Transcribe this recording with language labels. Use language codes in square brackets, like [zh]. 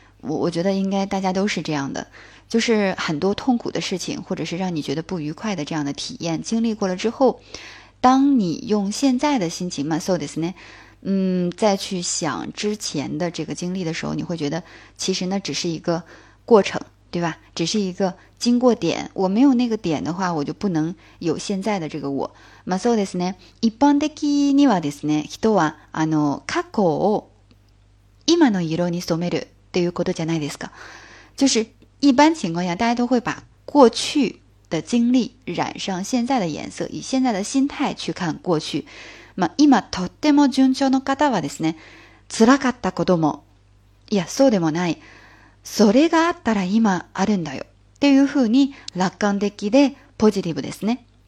[zh] 我觉得应该大家都是这样的，就是很多痛苦的事情，或者是让你觉得不愉快的这样的体验，经历过了之后，当你用现在的心情嘛， [ja] そうですね。 [zh] 再去想之前的这个经历的时候，你会觉得其实那只是一个过程，对吧？只是一个经过点。我没有那个点的话，我就不能有现在的这个我。 [ja] まあそうですね。一般的にはですね、人は過去を今の色に染めるっていうことじゃないですか。 [zh] 就是一般情况下，大家都会把过去的经历染上现在的颜色，以现在的心态去看过去。 [ja] まあ、今、とっても順調の方はですね、辛かったことも、いや、そうでもない、それがあったら今あるんだよ、っていうふうに楽観的でポジティブですね。